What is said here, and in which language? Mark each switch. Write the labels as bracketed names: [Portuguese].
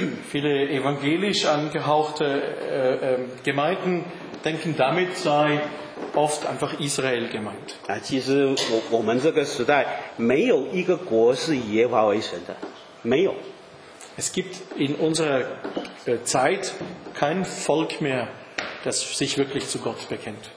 [German] Viele evangelisch angehauchte Gemeinden denken, damit sei oft einfach Israel gemeint. [Chinese] 其实我们这个时代没有一个国是耶和华为神的，没有。 [German] Es gibt in unserer Zeit kein Volk mehr, das sich wirklich zu Gott bekennt.